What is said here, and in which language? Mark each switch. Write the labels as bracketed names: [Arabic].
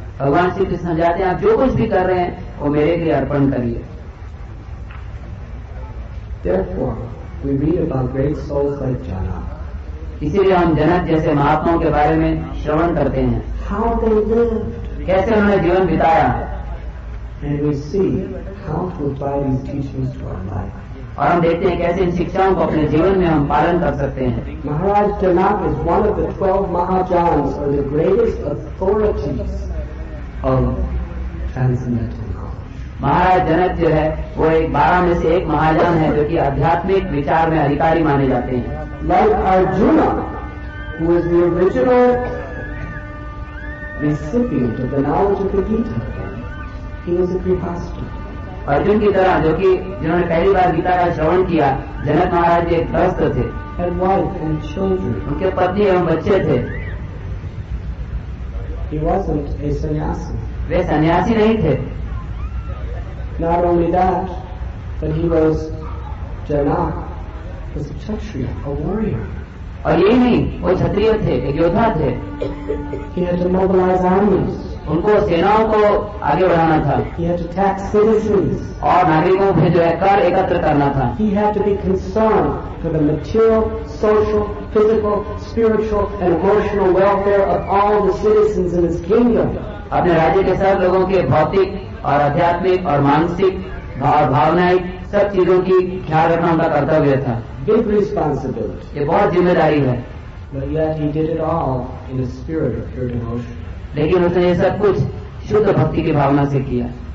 [Hindi] भगवान श्री कृष्ण जाते हैं आप जो कुछ भी कर रहे हैं वो मेरे लिए अर्पण करिए. [English] Therefore, we read about great souls like Janak. [Hindi] इसीलिए हम जनक जैसे महात्माओं के बारे में श्रवण करते हैं. [English] How they lived. [Hindi] कैसे उन्होंने जीवन बिताया. [English] And we see how to apply these teachings to our life. [Hindi] और हम देखते हैं कैसे इन शिक्षाओं को अपने जीवन में हम पालन कर सकते हैं. [English] Maharaj Janak is one of the 12 mahajans और the greatest authorities of transcendental. [Hindi] महाराज जनक जो है वो एक 12 में से एक महाजान है जो कि आध्यात्मिक विचार में अधिकारी माने जाते हैं. [English] Like Arjuna who is the original recipient of the knowledge of the Gita. He was a grihastha. [Hindi] Arjun की तरह जो कि जिन्होंने पहली बार गीता का श्रवण किया, जनक महाराज एक ग्रस्त थे. [English] And wife and children. [Hindi] उनके पति एवं बच्चे थे. [English] He wasn't a sannyasi. [Hindi] वे सन्यासी नहीं थे. [English] Not only that, but he was Jana, was a Kshatriya, a warrior. [Hindi] और ये नहीं, वो क्षत्रिय थे, एक योद्धा थे. [English] He had to mobilize armies. [Hindi] उनको सेनाओं को आगे बढ़ाना था. [English] He had to tax citizens. [Hindi] और नागरिकों पे जो है कर एकत्र करना था. [English] He had to be concerned for the material, social, physical, spiritual, and emotional welfare of all the citizens in his kingdom. [Hindi] अपने राज्य के सब लोगों के भौतिक और आध्यात्मिक और मानसिक और भावनाएं सब चीजों की ख्याल रखना उनका कर्तव्य था. [English] Big responsibility. [Hindi] ये बहुत जिम्मेदारी है. [English] But yet he did it all in a spirit of pure devotion. [Hindi] लेकिन उसने ये सब कुछ शुद्ध भक्ति की भावना से किया.